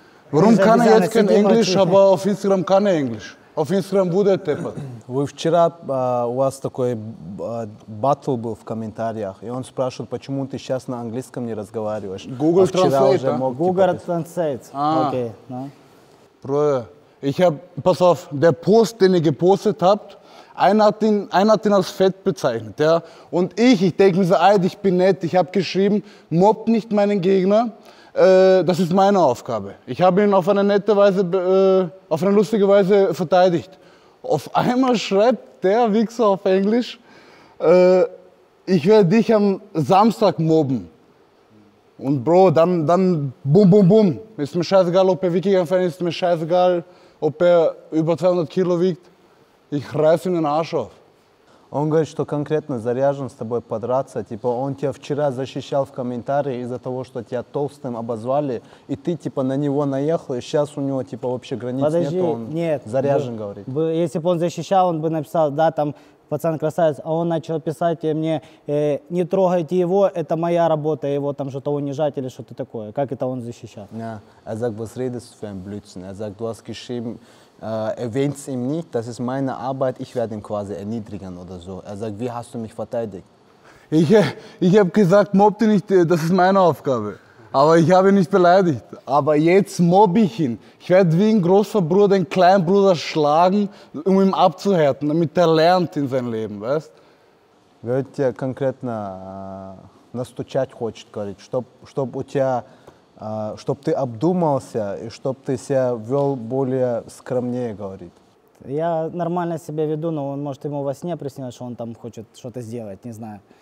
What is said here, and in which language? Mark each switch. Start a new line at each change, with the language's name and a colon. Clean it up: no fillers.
German: Warum kann er jetzt kein Englisch, aber auf Instagram kann er Englisch? Auf Instagram wurde er teppert.
Russian: Вы вчера, у вас такой батл был в комментариях, и он спрашивает, почему ты сейчас на английском не разговариваешь. Google Translate, да? Google Translate, окей.
German: Bruder, ich hab, pass auf, der Post, den ihr gepostet habt, einer hat ihn als fett bezeichnet, ja. Und ich denke mir so, Alter, ich bin nett, ich habe geschrieben, mobbt nicht meinen Gegner. Das ist meine Aufgabe. Ich habe ihn auf eine nette Weise, auf eine lustige Weise verteidigt. Auf einmal schreibt der Wichser auf Englisch, ich werde dich am Samstag mobben. Und Bro, dann bum bum bum. Ist mir scheißegal, ob er wirklich ein Fan ist, ist mir scheißegal, ob er über 200 Kilo wiegt. Ich reiß ihm den Arsch auf.
Russian: Он говорит, что конкретно заряжен с тобой подраться. Типа, он тебя вчера защищал в комментарии из-за того, что тебя толстым обозвали, и ты, типа, на него наехал, и сейчас у него, типа, вообще границ нет. Подожди, нету, он нет. Заряжен, говорит. Если бы он защищал, он бы написал, да, там, пацан красавец, а он начал писать мне, не трогайте его, это моя работа, его там что-то унижать или что-то такое. Как это он защищал?
German: Ja, er sagt, was redest du für ein Blödsinn? Er sagt, du hast geschrieben, erwähnt es ihm nicht, das ist meine Arbeit, ich werde ihn quasi erniedrigen oder so. Er sagt, wie hast du mich verteidigt? Ich habe gesagt, mobb dich nicht, das ist meine Aufgabe. Aber ich habe ihn nicht beleidigt. Aber jetzt mobb ich ihn. Ich werde wie ein großer Bruder den kleinen Bruder schlagen, um ihn abzuhärten, damit er lernt in seinem Leben, weißt du? Wer dir konkret
Russian: настучать хочет, говорит, чтоб у тебя... чтоб ты обдумался и чтоб ты себя вел более скромнее, говорит. Я нормально себя веду, но он может ему во сне приснилось, что он там хочет что-то сделать, не знаю.